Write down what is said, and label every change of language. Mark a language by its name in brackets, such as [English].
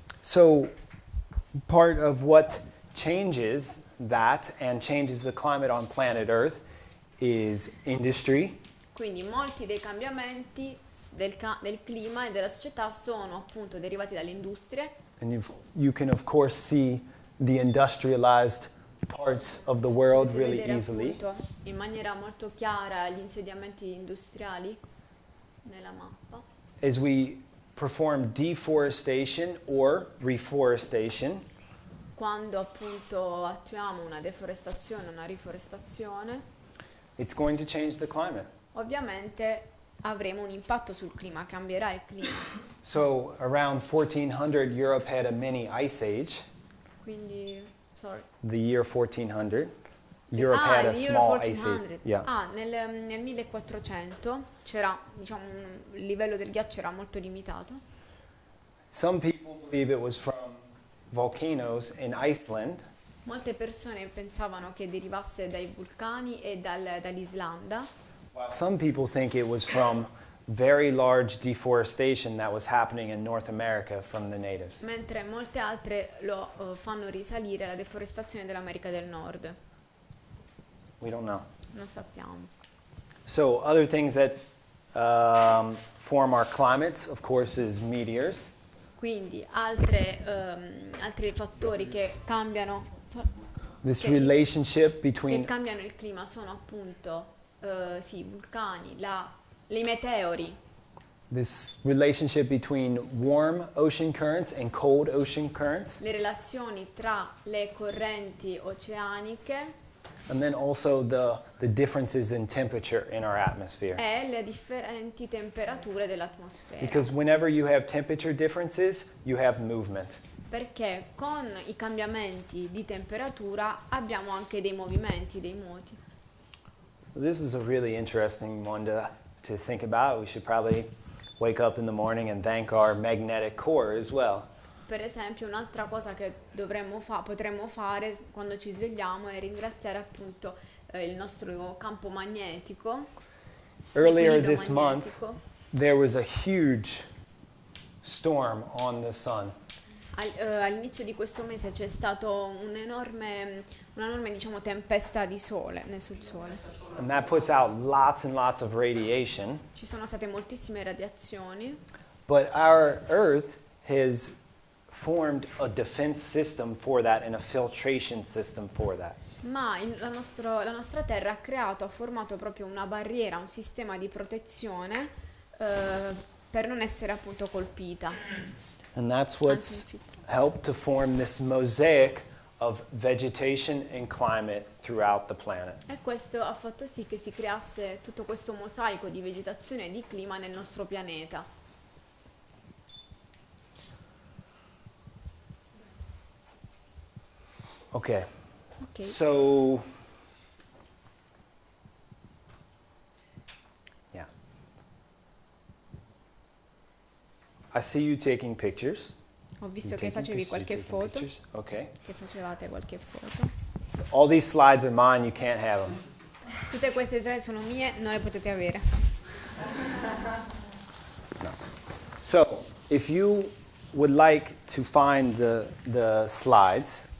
[English] So part of what changes that and changes the climate on planet Earth is industry. [Italian] Quindi molti dei cambiamenti del clima e della società sono appunto derivati dalle industrie. [English] And you can of course see the industrialized parts of the world really easily. [Italian] Potete vedere appunto in maniera molto chiara gli insediamenti industriali nella mappa. [English] As we perform deforestation or reforestation. [Italian] Quando appunto attuiamo una deforestazione, una riforestazione. [English] It's going to change the climate. [Italian] Ovviamente avremo un impatto sul clima, cambierà il clima. [English] So around 1400 Europe had a mini ice age. [Italian] Quindi [English] the year 1400 Europe had a small ice age. Yeah. [Italian] Nel 1400 c'era, diciamo, un livello del ghiaccio era molto limitato. [English] Some people believe it was from volcanoes in Iceland. [Italian] Molte persone pensavano che derivasse dai vulcani e dall'Islanda. [English] Some people think it was from very large deforestation that was happening in North America from the natives. [Italian] Mentre molte altre lo fanno risalire alla deforestazione dell'America del Nord. [English] We don't know. [Italian] Non sappiamo. [English] So other things that form our climates, of course, is meteors. [Italian] Quindi altri fattori che cambiano. [English] This relationship between. [Italian] Che cambiano il clima sono appunto sì, vulcani, le meteori. [English] This relationship between warm ocean currents and cold ocean currents. [Italian] Le relazioni tra le correnti oceaniche. [English] And then also the differences in temperature in our atmosphere. [Italian] E le differenti temperature dell'atmosfera. [English] Because whenever you have temperature differences, you have movement. [Italian] Perché con i cambiamenti di temperatura abbiamo anche dei movimenti, dei moti. [English] This is a really interesting one to think about. We should probably wake up in the morning and thank our magnetic core as well. [Italian] Per esempio, un'altra cosa che potremmo fare quando ci svegliamo è ringraziare appunto il nostro campo magnetico. [English] Earlier this month, there was a huge storm on the sun. [Italian] All'inizio di questo mese c'è stato un'enorme, diciamo, tempesta di sole sul sole. [English] And that puts out lots and lots of radiation. [Italian] Ci sono state moltissime radiazioni. [English] But our Earth has formed a defense system for that and a filtration system for that. [Italian] Ma la nostra Terra ha formato proprio una barriera, un sistema di protezione per non essere appunto colpita. [English] And that's what's helped to form this mosaic of vegetation and climate throughout the planet. [Italian] E questo ha fatto sì che si creasse tutto questo mosaico di vegetazione e di clima nel nostro pianeta. Okay. Okay. [English] So I see you taking pictures. [Italian] Ho visto che facevi qualche foto. [English] Pictures? Okay. [Italian] Che facevate qualche foto. [English] All these slides are mine, you can't have them. [Italian] Tutte queste slide sono mie, non le potete avere. [English] No. So, if you would like to find the slides,